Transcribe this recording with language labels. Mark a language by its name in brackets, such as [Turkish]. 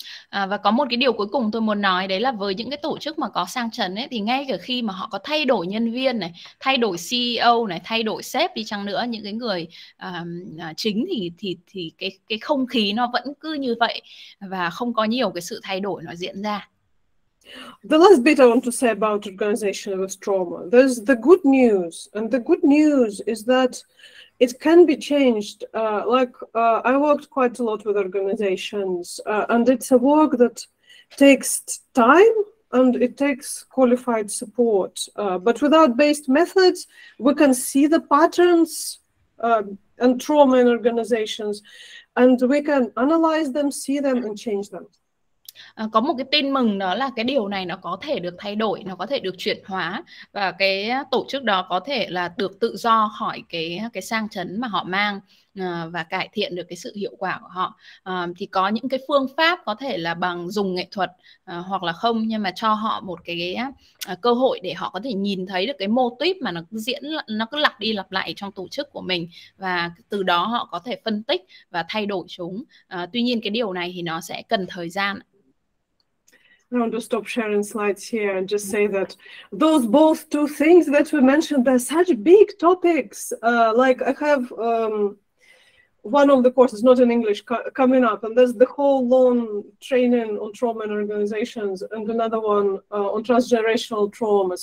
[Vietnamese] Và có một cái điều cuối cùng tôi muốn nói, đấy là với những cái tổ chức mà có sang chấn ấy, thì ngay cả khi mà họ có thay đổi nhân viên này, thay đổi CEO này, thay đổi sếp đi chăng nữa, những cái người chính thì cái không khí nó vẫn cứ như vậy, và không có nhiều cái sự thay đổi nó diễn ra. [English] The last bit I want to say about organization with trauma. There's the good news, and the good news is that it can be changed. I worked quite a lot with organizations, and it's a work that takes time and it takes qualified support. But without based methods, we can see the patterns and trauma in organizations, and we can analyze them, see them, and change them. [Vietnamese] Có một cái tin mừng, đó là cái điều này nó có thể được thay đổi, nó có thể được chuyển hóa, và cái tổ chức đó có thể là được tự do khỏi cái sang chấn mà họ mang và cải thiện được cái sự hiệu quả của họ. Thì có những cái phương pháp có thể là bằng dùng nghệ thuật hoặc là không, nhưng mà cho họ một cái cơ hội để họ có thể nhìn thấy được cái mô típ mà nó cứ lặp đi lặp lại trong tổ chức của mình, và từ đó họ có thể phân tích và thay đổi chúng. Tuy nhiên cái điều này thì nó sẽ cần thời gian. [English] I want to stop sharing slides here and just say that those both two things that we mentioned, they're such big topics. Like I have one of the courses, not in English, coming up, and there's the whole long training on trauma in organizations, and another one on transgenerational trauma.